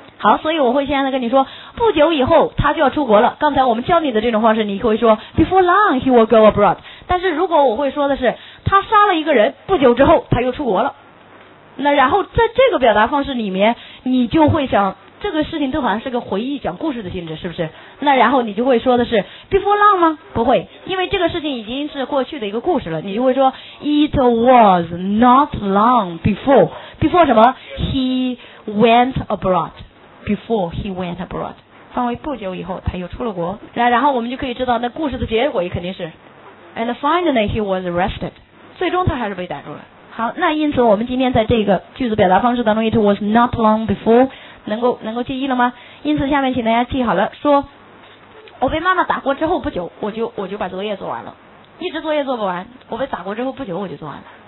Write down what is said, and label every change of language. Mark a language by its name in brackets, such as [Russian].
[Chinese] 好，所以我会现在跟你说不久以后他就要出国了，刚才我们教你的这种方式，你会说 [English] Before long he will go abroad， [Chinese] 但是如果我会说的是他杀了一个人，不久之后他又出国了，那然后在这个表达方式里面，你就会想这个事情都好像是个回忆讲故事的性质，是不是？那然后你就会说的是 [English] before long [Chinese] 吗？不会，因为这个事情已经是过去的一个故事了，你就会说 [English] it was not long before， [Chinese] before 什么？ [English] he went abroad， before he went abroad， [Chinese] 范围不久以后他又出了国。然后我们就可以知道那故事的结果也肯定是 [English] and finally he was arrested， [Chinese] 最终他还是被逮住了。好，那因此我们今天在这个句子表达方式当中， [English] it was not long before， [Chinese] 能够记忆了吗？因此下面请大家记好了，说我被妈妈打过之后不久，我就把作业做完了，一直作业做不完，我被打过之后不久我就做完了。